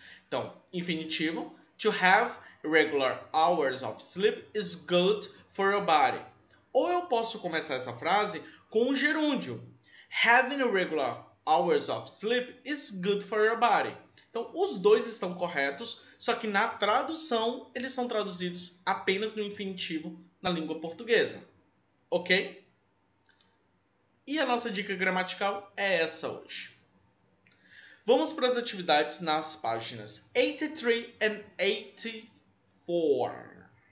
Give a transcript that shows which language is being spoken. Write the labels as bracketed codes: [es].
[pt] Então, infinitivo. [en] To have regular hours of sleep is good for your body. [pt] Ou eu posso começar essa frase com o gerúndio. [en] Having regular hours of sleep is good for your body. [pt] Então, os dois estão corretos, só que na tradução, eles são traduzidos apenas no infinitivo na língua portuguesa. Ok? E a nossa dica gramatical é essa hoje. Vamos para as atividades nas páginas 83 and 84.